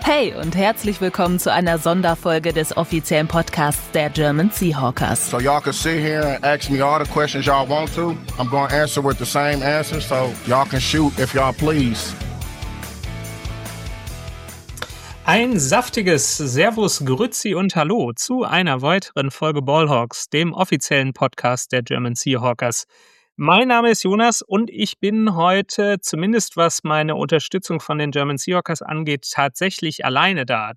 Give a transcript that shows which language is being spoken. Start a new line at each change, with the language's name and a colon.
German: Hey und herzlich willkommen zu einer Sonderfolge des offiziellen Podcasts der German Seahawkers.
English: So y'all can sit here and ask me all the questions y'all want to. I'm going to answer with the same answer, so y'all can shoot if y'all please.
German: Ein saftiges Servus, Grüzi und Hallo zu einer weiteren Folge Ballhawks, dem offiziellen Podcast der German Seahawkers. Mein Name ist Jonas und ich bin heute, zumindest was meine Unterstützung von den German Seahawkers angeht, tatsächlich alleine da.